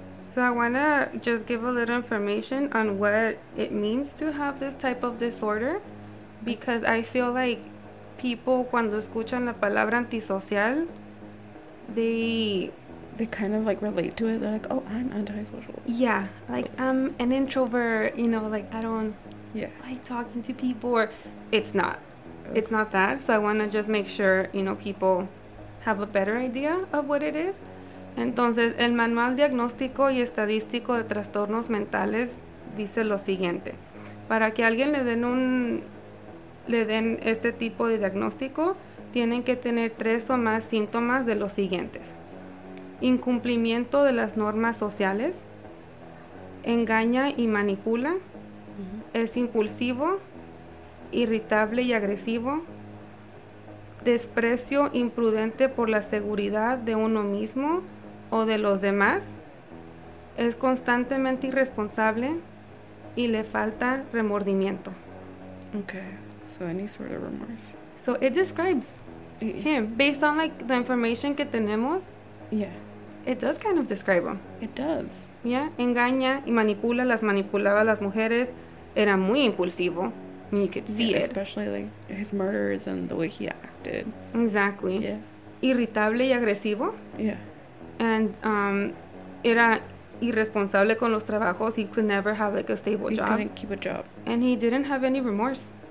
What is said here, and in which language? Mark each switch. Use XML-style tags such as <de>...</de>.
<en>So I want to just give a little information on what it means to have this type of disorder, because I feel like people,</en> <es>cuando escuchan la palabra antisocial,</es> <en>they kind of, like, relate to it. They're like, oh, I'm antisocial. Yeah, like, oh, I'm an introvert, you know, like, I don't, yeah, like talking to people, or it's not. Okay. It's not that. So I want to just make sure, you know, people have a better idea of what it is.</en> <es>Entonces, el manual diagnóstico y estadístico de trastornos mentales dice lo siguiente. Para que alguien le den este tipo de diagnóstico, tienen que tener tres o más síntomas de los siguientes. Incumplimiento de las normas sociales. Engaña y manipula. Uh-huh. Es impulsivo, irritable y agresivo. Desprecio imprudente por la seguridad de uno mismo o de los demás, es constantemente irresponsable y le falta remordimiento.</es> <en>Okay, so any sort of remorse. So it describes him based on, like, the information</en> <es>que tenemos.</es> <en>Yeah. It does kind of describe him. It does.</en> <es>Yeah, engaña y manipula, las manipulaba las mujeres. Era muy impulsivo.</es> <en>You could see it. Especially like his murders and the way he acted. Exactly. Yeah.</en> <es>Irritable y agresivo.</es> <en>Yeah.</en> <es>And era irresponsable con los trabajos.</es> <en>He could never have like a stable he job. He couldn't keep a job. And he didn't have any remorse.</en>